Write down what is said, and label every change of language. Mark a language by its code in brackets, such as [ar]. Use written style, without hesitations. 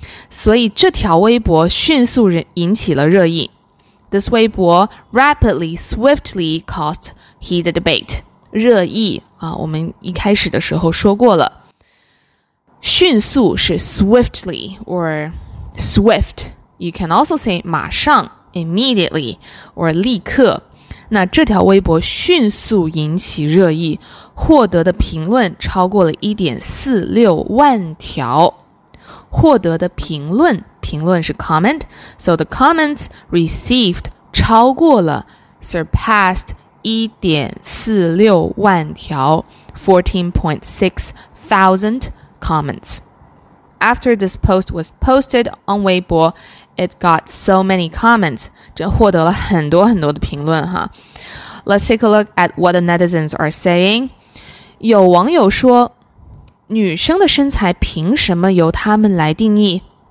[zh] 所以这条微博迅速引起了热议。 [en] This Weibo rapidly, swiftly caused heated debate. [zh] 热议啊，我们一开始的时候说过了。迅速是 swiftly or swift. [en] You can also say 马上 immediately or 立刻。 [zh] 那这条微博迅速引起热议，获得的评论超过了 1.46 万条。获得的评论，评论是 [en] comment, so the comments received 超过了 surpassed 1.46 万条 14.6 thousand comments. After this post was posted on Weibo, it got so many comments, [zh] 这获得了很多很多的评论哈。 [en] Let's take a look at what the netizens are saying. [zh] 有网友说女生的身材凭什么由她们来定义?